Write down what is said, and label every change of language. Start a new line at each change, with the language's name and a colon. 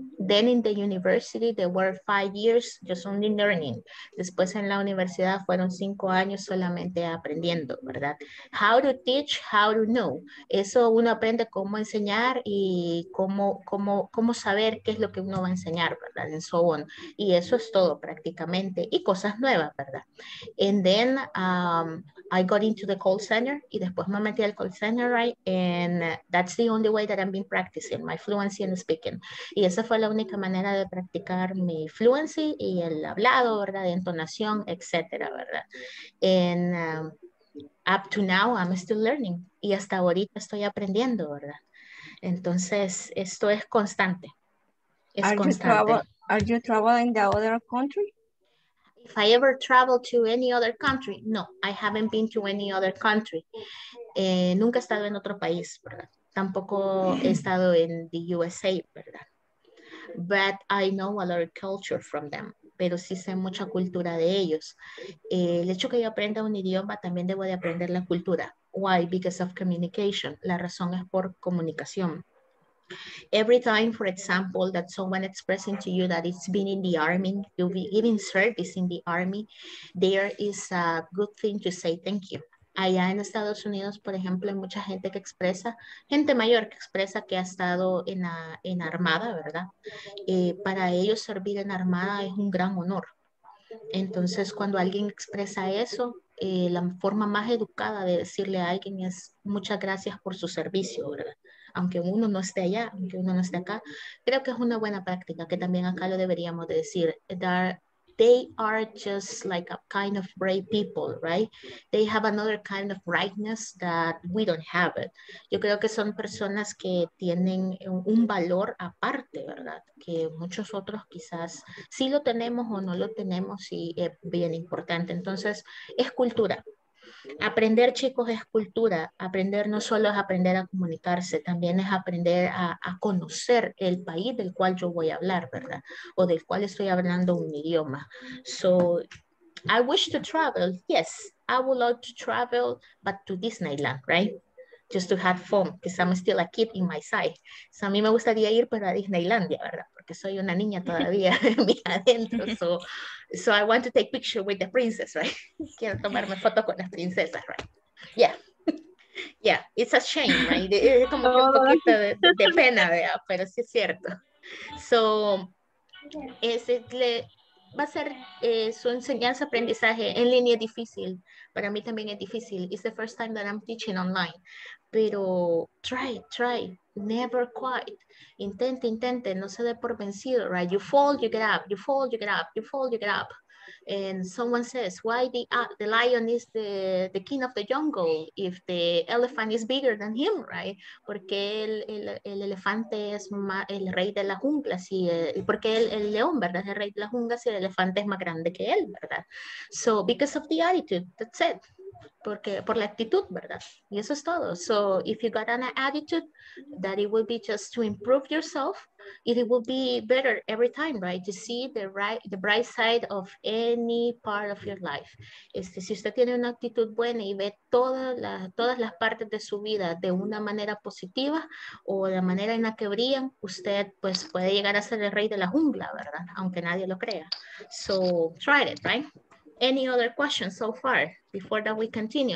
English: Then in the university, there were 5 years just only learning.
Spanish: Después en la universidad fueron 5 años solamente aprendiendo, ¿verdad?
English: How to teach, how to know.
Spanish: Eso uno aprende cómo enseñar y cómo saber qué es lo que uno va a enseñar, ¿verdad?
English: And so on.
Spanish: Y eso es todo prácticamente. Y cosas nuevas, ¿verdad?
English: And then I got into the call center
Spanish: y después me metí al call center,
English: right? And that's the only way that I've been practicing my fluency and speaking.
Spanish: Y esa fue la única manera de practicar mi fluency y el hablado, ¿verdad? De entonación, etcétera, ¿verdad?
English: And up to now, I'm still learning.
Spanish: Y hasta ahorita estoy aprendiendo, ¿verdad? Entonces, esto es constante.
English: Are you traveling the other country? If I ever travel to any other country, no, I haven't been to any other country.
Spanish: Nunca he estado en otro país, ¿verdad? Tampoco he estado en the USA, ¿verdad?
English: But I know a lot of culture from them.
Spanish: Pero sí sé mucha cultura de ellos. El hecho que yo aprenda un idioma, también debo de aprender la cultura.
English: Why? Because of communication.
Spanish: La razón es por comunicación.
English: Every time, for example, that someone expressing to you that it's been in the army, you'll be giving service in the army, there is a good thing to say thank you.
Spanish: Allá en Estados Unidos, por ejemplo, hay mucha gente que expresa, gente mayor que expresa que ha estado en armada, ¿verdad? Para ellos servir en armada es un gran honor. Entonces, cuando alguien expresa eso, la forma más educada de decirle a alguien es muchas gracias por su servicio, ¿verdad? Aunque uno no esté allá, aunque uno no esté acá, creo que es una buena práctica, que también acá lo deberíamos de decir.
English: They are just like a kind of brave people, right? They have another kind of brightness that we don't have it.
Spanish: Yo creo que son personas que tienen un valor aparte, ¿verdad? Que muchos otros quizás sí lo tenemos o no lo tenemos y es bien importante. Entonces, es cultura. Aprender, chicos, es cultura. Aprender no solo es aprender a comunicarse, también es aprender a conocer el país del cual yo voy a hablar, ¿verdad? O del cual estoy hablando un idioma.
English: So, I wish to travel. Yes, I would love to travel, but to Disneyland, right? Just to have fun, because I'm still a kid in my side.
Spanish: So, a mí me gustaría ir, pero a Disneylandia, ¿verdad? Porque soy una niña todavía en mi adentro.
English: So I want to take picture with the princess, right?
Spanish: Quiero tomarme fotos con las princesas,
English: right? Yeah, it's a shame, right?
Spanish: Es como un poquito de pena, ¿verdad? Pero sí es cierto. So, va a ser su enseñanza, aprendizaje en línea difícil. Para mí también es difícil.
English: It's the first time that I'm teaching online. Pero try, never quit.
Spanish: Intente, no se dé por vencido, right?
English: You fall, you get up. and someone says, why the lion is the king of the jungle if the elephant is bigger than him, right?
Spanish: Porque el elefante es el rey de la jungla, si porque el león, ¿verdad? Es el rey de la jungla si el elefante es más grande que él, ¿verdad?
English: So, because of the attitude, that's it.
Spanish: Porque, por la actitud, ¿verdad? Y eso es todo.
English: So, if you got an attitude, that it will be just to improve yourself, it will be better every time, right? To see the bright side of any part of your life.
Spanish: Si usted tiene una actitud buena y ve todas las partes de su vida de una manera positiva o de la manera en la que brillan, usted pues puede llegar a ser el rey de la jungla, ¿verdad? Aunque nadie lo crea.
English: So, try it, right? Any other questions so far before that we continue?